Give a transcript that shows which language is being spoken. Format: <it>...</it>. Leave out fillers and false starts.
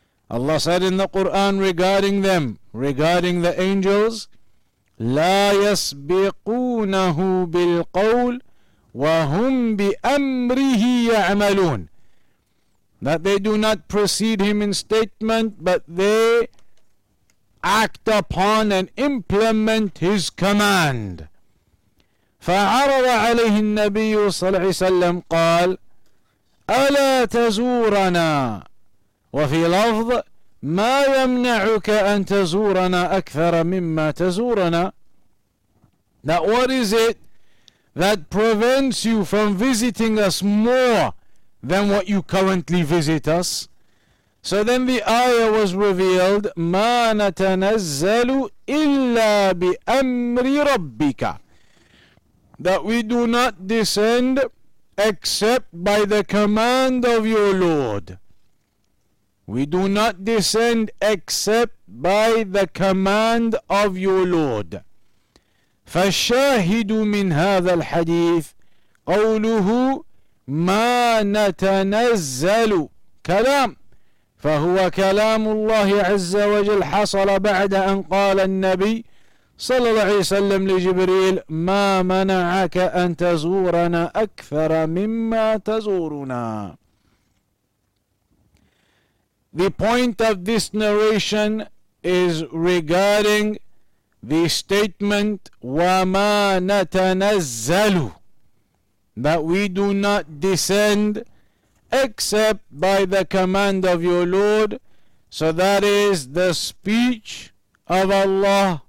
<en>Allah said in the Quran regarding them, regarding the angels,</en> <ar>لا يسبقونه بالقول وهم بأمره يعملون.</ar> <en>That they do not precede him in statement, but they act upon and implement his command.</en> <ar>فعرض عليه النبي صلى الله عليه وسلم قال ألا تزورنا وفي لفظ ما يمنعك أن تزورنا أكثر مما تزورنا.</ar> <en>Now what is it that prevents you from visiting us more than what you currently visit us? So then the ayah was revealed,</en> <ar>مَا نَتَنَزَّلُ إِلَّا بِأَمْرِ رَبِّكَ,</ar> <en>that we do not descend except by the command of your Lord. We do not descend except by the command of your Lord.</en> <ar>فالشاهد من هذا الحديث قوله ما نتنزل كلام فهو كلام الله عز وجل حصل بعد أن قال النبي صلى الله عليه وسلم لجبريل ما منعك أن تزورنا أكثر مما تزورنا.</ar> <en>The point of this narration is regarding the statement</en> <ar>وَمَا نَتَنَزَّلُ,</ar> <en>that we do not descend except by the command of your Lord. So that is the speech of Allah</en>